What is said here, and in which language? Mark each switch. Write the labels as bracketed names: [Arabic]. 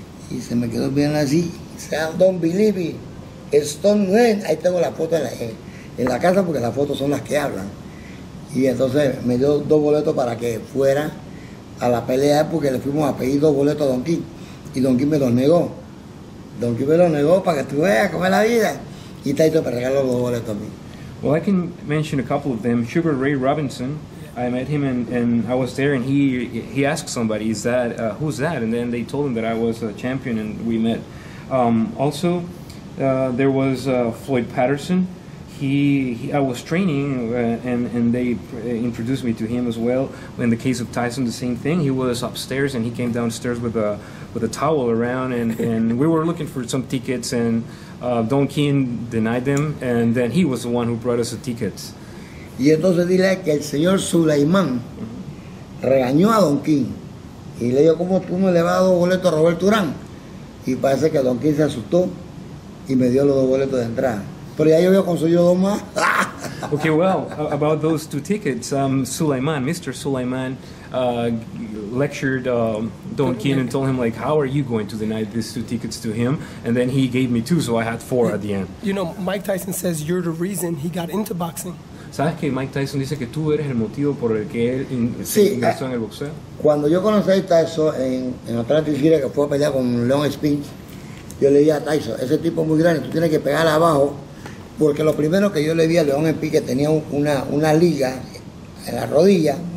[Spanish] Y se me quedó bien así. [English] Don't believe it. [Spanish] Stonehenge, ahí tengo la foto en la casa porque las fotos son las que hablan. Y entonces me dio dos boletos para que fuera a la pelea porque le fuimos a pedir dos boletos a Don King. Y Don King me los negó. Don King me los negó para que tú veas cómo es la vida. Y está hecho para regalar los boletos a mí. [English] Well, I can mention a couple of them. Sugar Ray Robinson, I met him and I was there and he asked somebody, is that, who's that? And then they told him that I was a champion and we met. Also, there was Floyd Patterson. I was training and they introduced me to him as well. In the case of Tyson, the same thing. He was upstairs and he came downstairs with a towel around and we were looking for some tickets and Don King denied them and then he was the one who brought us the tickets. [Spanish] Y entonces dile que el señor Suleiman regañó a Don King y le dijo, ¿cómo tú no le vas a dar boleto a Robert Durán? Y parece que Don King se asustó y me dio los dos boletos de entrada. Pero ya yo había conseguido dos más. [English] Okay, well, about those two tickets, Sulaiman, Mr. Sulaiman, lectured Don Keane and told him, like, how are you going to deny these two tickets to him? And then he gave me two, so I had four at the end. You know, Mike Tyson says you're the reason he got into boxing. [Spanish] ¿Sabes que Mike Tyson dice que tú eres el motivo por el que él ingresó en el boxeo? Cuando yo conocí a Tyson en Atlantic City, que fue a pelear con Leon Spinks, yo le dije a Tyson, ese tipo es muy grande, tú tienes que pegar abajo, porque lo primero que yo le vi a Leon Spinks, que tenía una liga en la rodilla,